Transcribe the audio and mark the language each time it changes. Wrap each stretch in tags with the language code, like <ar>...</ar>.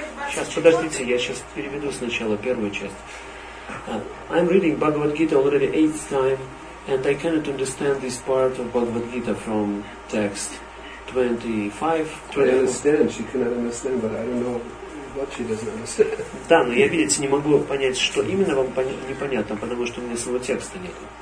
<ru>Сейчас, подождите, я сейчас переведу сначала первую часть.</ru> <en>I'm reading Bhagavad-gita already 8th time and I cannot understand this part of Bhagavad-gita from text 25. I understand, she cannot understand, but I don't know what she doesn't understand.</en> <ru>Да, но я, видите, не могу понять, что именно вам непонятно, потому что у меня своего текста нет.</ru>